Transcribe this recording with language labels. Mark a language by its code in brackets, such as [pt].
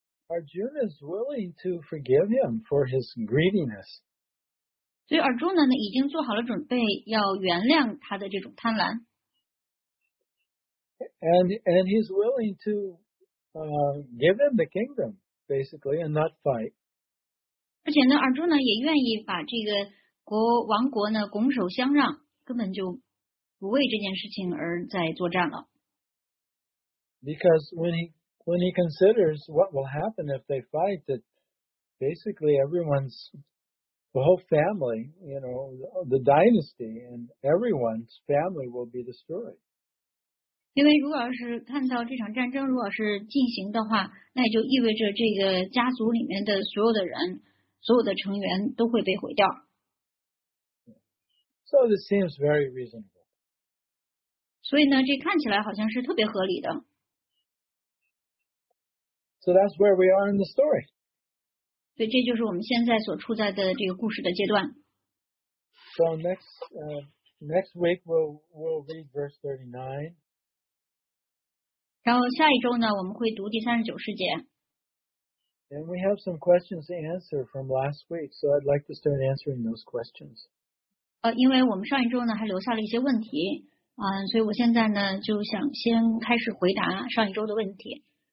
[en] Arjuna is willing to forgive him for his greediness. [zh] 所以 Arjuna 呢已经做好了准备，要原谅他的这种贪婪。 [en] And he's willing to give him the kingdom, basically, and not fight. [zh] 而且呢，尔朱呢也愿意把这个国王国呢拱手相让，根本就不为这件事情而在作战了。 [en] Because when he considers what will happen if they fight, that basically everyone's the whole family, you know, the dynasty and everyone's family will be destroyed. [zh] 因为如果要是看到这场战争如果是进行的话，那也就意味着这个家族里面的所有的人。所有的成员都会被毁掉。 [en] So this seems very reasonable. [zh] 所以呢，这看起来好像是特别合理的。 [en] So that's where we are in the story. [zh] 所以这就是我们现在所处在的这个故事的阶段。 [en] So next week we'll read verse 39. [zh] 然后下一周呢，我们会读第39世界。 [en] And we have some questions to answer from last week, so I'd like to start answering those questions. [zh] 因为我们上一周呢还留下了一些问题，所以我现在呢就想先开始回答上一周的问题。